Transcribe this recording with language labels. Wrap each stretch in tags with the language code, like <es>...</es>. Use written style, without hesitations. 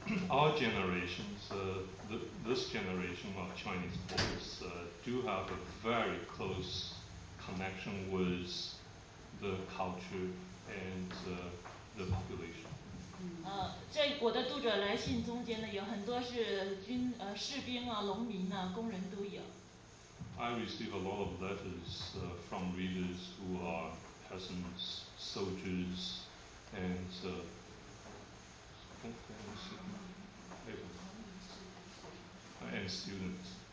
<en>Our generations, this generation of Chinese poets, do have a very close connection with the culture and the population.</en> <zh>在我的读者来信中间呢，有很多是士兵啊、农民啊、工人都有。</zh> <en>I receive a lot of letters from readers who are peasants, soldiers, and students.</en>